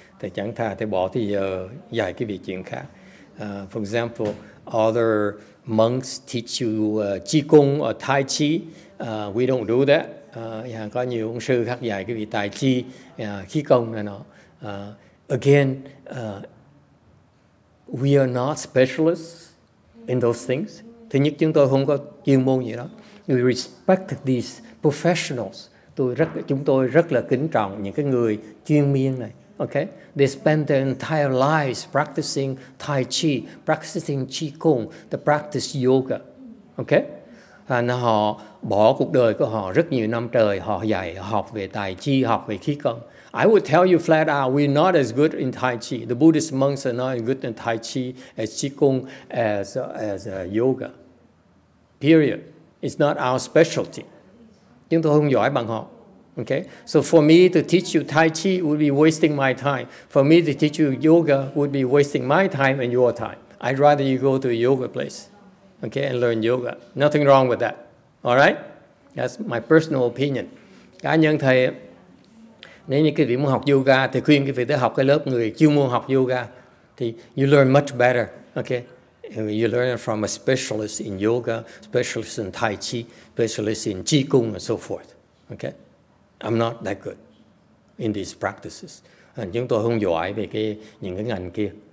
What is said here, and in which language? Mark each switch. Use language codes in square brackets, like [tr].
[vi] Thầy chẳng thà thầy bỏ thì giờ dạy cái việc chuyện khác. [en] For example, other monks teach you qi gong or tai chi. We don't do that. [vi] Có nhiều ông sư khác dạy cái việc tai chi, khí công này nọ. [en] Again, we are not specialists in those things. [vi] Thứ nhất, chúng tôi không có chuyên môn gì đó. [en] We respect these professionals. [vi] Chúng tôi rất là kính trọng những cái người chuyên miên này. [en] Okay? They spend their entire lives practicing Tai Chi, practicing Qi Gong, the practice yoga. Okay? [vi] Và họ bỏ cuộc đời của họ rất nhiều năm trời, họ dạy, học về Tai Chi, học về Khí Công. [en] I would tell you flat out, we're not as good in Tai Chi. The Buddhist monks are not as good in Tai Chi, as Qigong, as yoga. Period. It's not our specialty. [vi] Nhưng tôi không giỏi bằng họ. [en] Okay? So for me to teach you Tai Chi would be wasting my time. For me to teach you yoga would be wasting my time and your time. I'd rather you go to a yoga place, okay, and learn yoga. Nothing wrong with that. All right? That's my personal opinion. [vi] Cá nhân thầy, nếu như quý vị muốn học yoga, thì khuyên quý vị tới học cái lớp người chuyên môn học yoga. [en] Thì you learn much better, okay? You learn from a specialist in yoga, specialist in Tai Chi, specialist in Qigong, and so forth. Okay? I'm not that good in these practices. [vi] Chúng tôi không giỏi về những cái ngành kia.